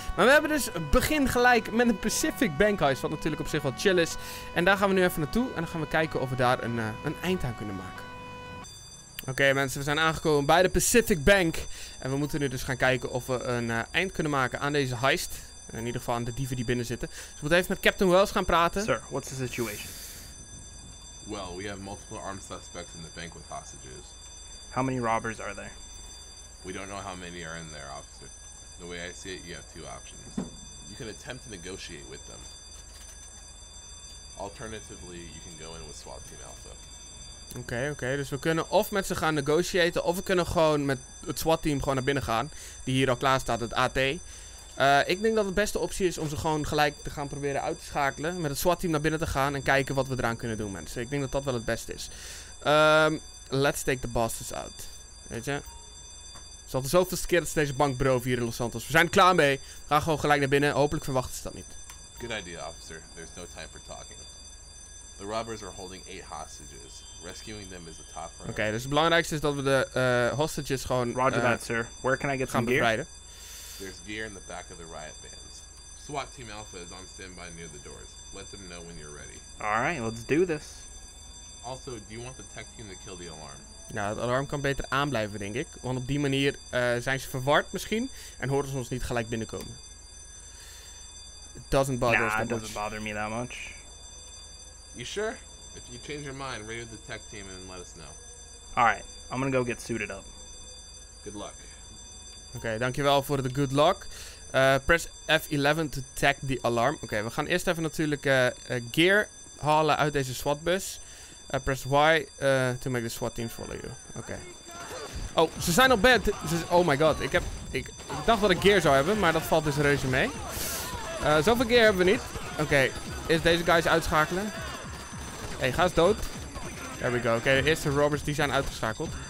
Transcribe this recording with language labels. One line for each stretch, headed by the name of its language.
Dutch: Maar we hebben dus begin gelijk met een Pacific Bank Heist. Wat natuurlijk op zich wel chill is. En daar gaan we nu even naartoe. En dan gaan we kijken of we daar een eind aan kunnen maken. Oké, mensen, we zijn aangekomen bij de Pacific Bank. En we moeten nu dus gaan kijken of we een eind kunnen maken aan deze heist. In ieder geval aan de dieven die binnen zitten. Dus we moeten even met Captain Wells gaan praten.
English: Sir, what's the situation? Well, we have multiple armed suspects in the bank with hostages. How many robbers are there? We don't know how many are in there, officer. The way I see it, you have 2 options. You can attempt to negotiate with them. Alternatively, you can go in with SWAT Team Alpha. Okay.
Dutch: Dus we kunnen of met ze gaan negotiaten, of we kunnen gewoon met het SWAT Team gewoon naar binnen gaan. Die hier al klaar staat, het AT. Ik denk dat de beste optie is om ze gewoon gelijk te gaan proberen uit te schakelen. Met het SWAT-team naar binnen te gaan en kijken wat we eraan kunnen doen, mensen. Ik denk dat dat wel het beste is.
English: Let's take the bastards out.
Dutch: Weet je? Het is de zoveelste keer dat ze deze bank beroven hier in Los Santos. We zijn er klaar mee. We gaan gewoon gelijk naar binnen. Hopelijk verwachten ze dat niet.
English: Good idea, officer. There's no time for talking. The robbers are holding 8 hostages. Rescuing them is the top priority.
Dutch: Oké, dus het belangrijkste is dat we de hostages gewoon
English: Roger that, sir. Where can I get
Dutch: gaan
English: some
Dutch: bevrijden.
English: Gear? There's gear in the back of the riot vans. SWAT Team Alpha is on standby near the doors. Let them know when you're ready. Alright, let's do this. Also, do you want the tech team to kill the alarm?
Dutch: Nou, het alarm kan beter aanblijven, denk ik. Want op die manier zijn ze verward misschien en horen ze ons niet gelijk binnenkomen.
English: It doesn't bother us that much. Nah, it doesn't bother me that much. You sure? If you change your mind, radio the tech team and let us know. Alright, I'm gonna go get suited up. Good luck.
Dutch: Oké, dankjewel voor de good luck.
English: Press F11 to tag the alarm.
Dutch: Oké, we gaan eerst even natuurlijk gear halen uit deze SWAT-bus.
English: Press Y to make the SWAT teams follow you.
Dutch: Oké. Oh, ze zijn op bed. Oh my god, ik dacht dat ik gear zou hebben, maar dat valt dus reuze mee. Zoveel gear hebben we niet. Oké, is deze guys uitschakelen? Hey, ga eens dood.
English: There we go.
Dutch: Oké, de eerste robbers die zijn uitgeschakeld.